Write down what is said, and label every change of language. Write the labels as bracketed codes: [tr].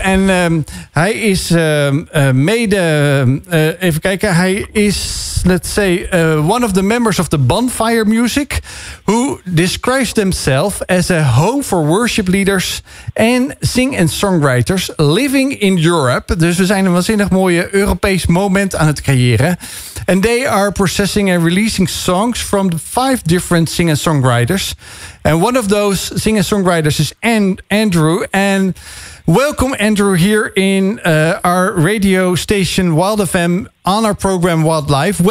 [nl] En hij is [en] one of the members of the Bonfire Music, who describes themselves as a home for worship leaders and sing and songwriters living in Europe. [nl] Dus we zijn een waanzinnig mooie Europees moment aan het creëren. [en] And they are processing and releasing songs from the 5 different sing and songwriters. And one of those sing and songwriters is Andrew. And welcome, Andrew, here in our radio station Wild FM on our program Wildlife.